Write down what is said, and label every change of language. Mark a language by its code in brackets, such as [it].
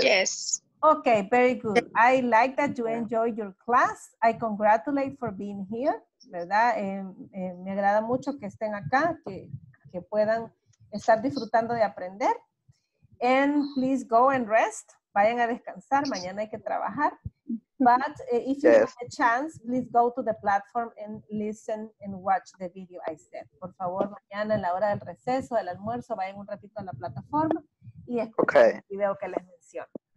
[en] Yes. Okay, very good. I like that you enjoy your class. I congratulate for being here, [es] ¿verdad? Me agrada mucho que estén acá, que puedan estar disfrutando de aprender. [en] And please go and rest. [es] Vayan a descansar. Mañana hay que trabajar. [en] But if you have a chance, please go to the platform and listen and watch the video I said. [es] Por favor, mañana en la hora del receso, del almuerzo, vayan un ratito a la plataforma y escuchen el video que les menciono.